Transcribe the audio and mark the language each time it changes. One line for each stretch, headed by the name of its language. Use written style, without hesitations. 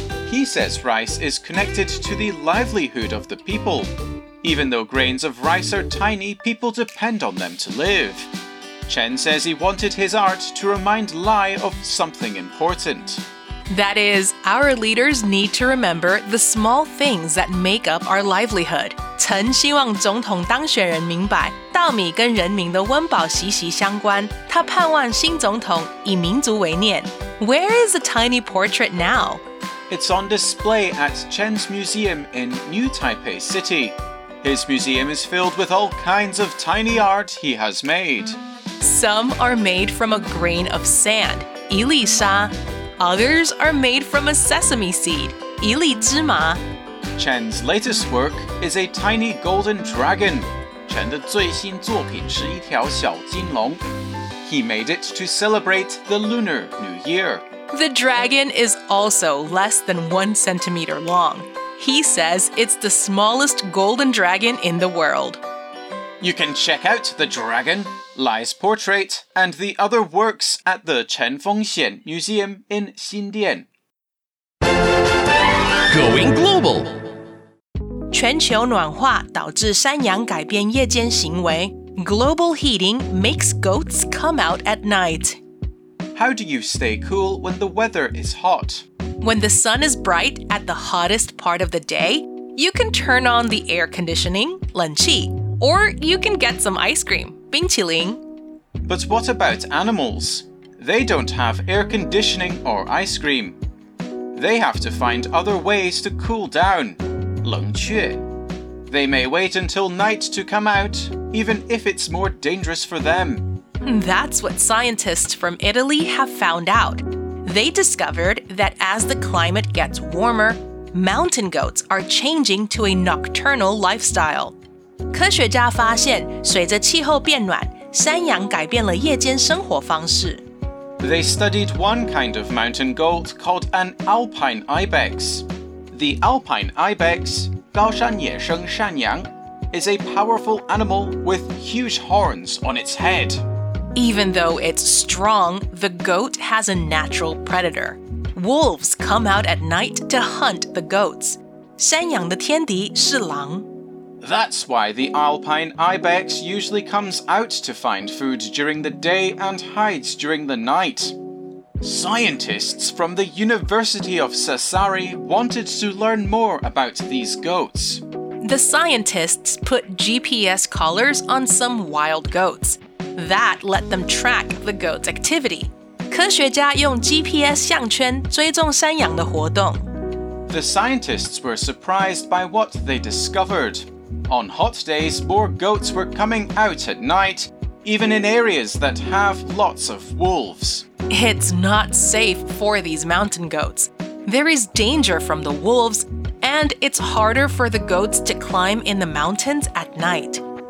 English: He says rice is connected to the livelihood of the people. Even though grains of rice are tiny, people depend on them to live. Chen says he wanted his art to remind Lai of something important. That is, our leaders need to remember the small things that make up our livelihood.
Chinese: 陈希望总统当选人明白，稻米跟人民的温饱息息相关。他盼望新总统以民族为念。
English: Where is the tiny portrait now? It's on display at Chen's museum in New Taipei City. His museum is filled with all kinds of tiny art he has made. Some are made from a grain of sand, 一粒沙. Others are made from a sesame seed, 一粒芝麻. Chen's latest work is a tiny golden dragon.
Chinese: Chen 的最新作品是一条小金龙.
English: He made it to celebrate the Lunar New Year. The dragon is also less than 1 centimeter long. He says it's the smallest golden dragon in the world. You can check out the dragon. Lai's portrait and the other works at the Chen Feng-xian Museum in Xindian. Going global.
Chinese: 全球暖化导致山羊改变夜间行为。
English: Global heating makes goats come out at night. How do you stay cool when the weather is hot? When the sun is bright at the hottest part of the day, you can turn on the air conditioning, 冷气, or you can get some ice cream.
Chinese: 冰淇淋。
English: But what about animals? They don't have air conditioning or ice cream. They have to find other ways to cool down.
Chinese: 冷却。
English: They may wait until night to come out, even if it's more dangerous for them. That's what scientists from Italy have found out. They discovered that as the climate gets warmer, mountain goats are changing to a nocturnal lifestyle.
Chinese: 科学家发现，随着气候变暖，山羊改变了夜间生活方式。
English: They studied one kind of mountain goat called an Alpine ibex. The Alpine ibex, 高山野生山羊, is a powerful animal with huge horns on its head. Even though it's strong, the goat has a natural predator. Wolves come out at night to hunt the goats.
Chinese: 山羊的天敌是狼。
English: That's why the Alpine ibex usually comes out to find food during the day and hides during the night. Scientists from the University of Sassari wanted to learn more about these goats. The scientists put GPS collars on some wild goats. That let them track the goat's activity.
Chinese: 科学家用 GPS 项圈追踪山羊的活动。
English: The scientists were surprised by what they discovered. On hot days, more goats were coming out at night, even in areas that have lots of wolves. It's not safe for these mountain goats. There is danger from the wolves, and it's harder for the goats to climb in the mountains at night.